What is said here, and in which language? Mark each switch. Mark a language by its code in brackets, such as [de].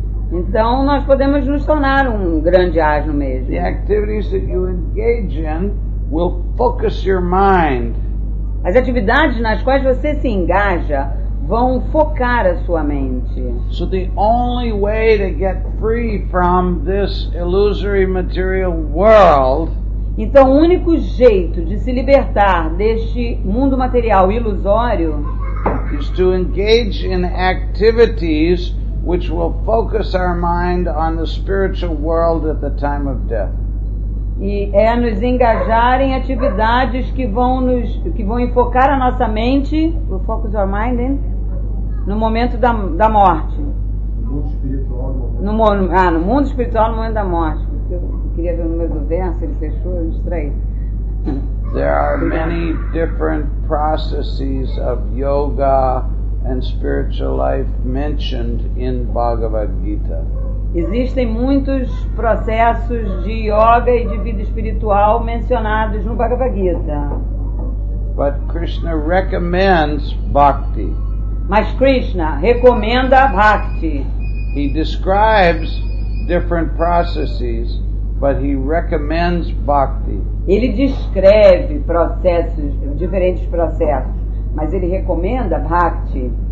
[pt] Então nós podemos nos tornar grande asno mesmo. [en] The activities that you engage in will focus your mind. [pt] As atividades nas quais você se engaja vão focar a sua mente. [en] So the only way to get free from this illusory material world. [pt] Então o único jeito de se libertar deste mundo material ilusório [en] is to engage in activities which will focus our mind on the spiritual world at the time of death. [pt] e é nos engajar em atividades que vão nos, que vão enfocar a nossa mente, o [en] focus our mind, [pt] hein? No momento da, da morte. No mundo espiritual, no momento. No mundo espiritual, no momento da morte. Eu queria ver o número do verso, ele fechou, eu distraí. [en] There are many different processes of yoga and spiritual life mentioned in Bhagavad Gita. [pt] Existem muitos processos de yoga e de vida espiritual mencionados no Bhagavad Gita. [en] But Krishna recommends bhakti. [pt] Mas Krishna recomenda bhakti. [en] He describes different processes, but he recommends bhakti. [pt] Ele descreve processos, diferentes processos, mas ele recomenda bhakti.